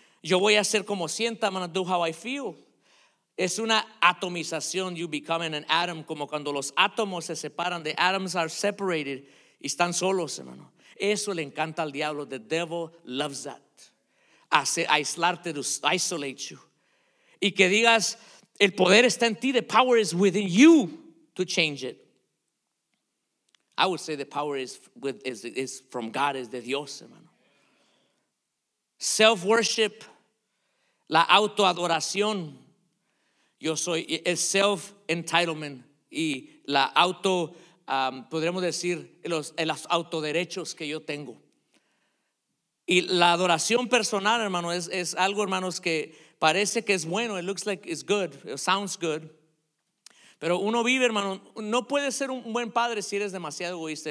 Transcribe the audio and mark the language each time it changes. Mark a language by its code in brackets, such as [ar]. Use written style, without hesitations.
[es] Yo voy a hacer como sienta. [en] I'm going to do how I feel. [es] Es una atomización. [en] You becoming an atom. [es] Como cuando los átomos se separan. [en] The atoms are separated. [es] Y están solos, hermano. Eso le encanta al diablo. [en] The devil loves that. [es] Aislarte, [en] isolate you. [es] Y que digas, el poder está en ti. [en] The power is within you to change it. I would say the power is from God, is [es] de Dios, hermano. Self-worship, la autoadoración. Yo soy, es self-entitlement y la auto, podríamos decir, los autoderechos que yo tengo. Y la adoración personal, hermano, es algo, hermanos, que parece que es bueno. [en] It looks like it's good, it sounds good. [es] Pero uno vive, hermano, no puedes ser un buen padre si eres demasiado egoísta.